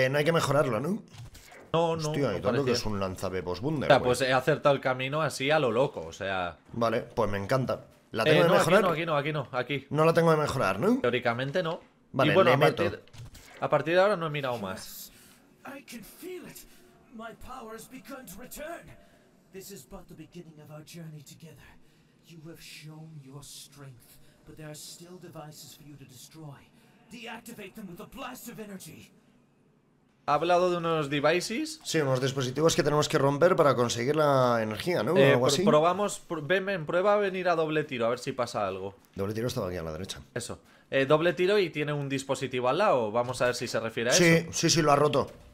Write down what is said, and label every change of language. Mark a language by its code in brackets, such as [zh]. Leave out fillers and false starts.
[es] No hay que mejorarlo, ¿no? No, hostia, no. Hostia, no y tanto que es un lanzapepos Wunderwave. O sea, pues he acertado el camino así a lo loco, o sea. Vale, pues me encanta. ¿La tengo de mejorar? Aquí. No la tengo de mejorar, ¿no? Teóricamente no. Vale, y bueno, le a meto. A partir de ahora no he mirado más. [en] I can feel it. My power has begun to return. This is but the beginning of our journey together. You have shown your strength, but there are still devices for you to destroy. Deactivate them with a blast of energy. [es] ¿Ha hablado de unos devices? Sí, unos dispositivos que tenemos que romper para conseguir la energía, ¿no? Algo así. Probamos, prueba a venir a doble tiro, a ver si pasa algo. Doble tiro estaba aquí a la derecha. Eso. Doble tiro y tiene un dispositivo al lado, vamos a ver si se refiere a sí, eso. Sí, sí, lo ha roto.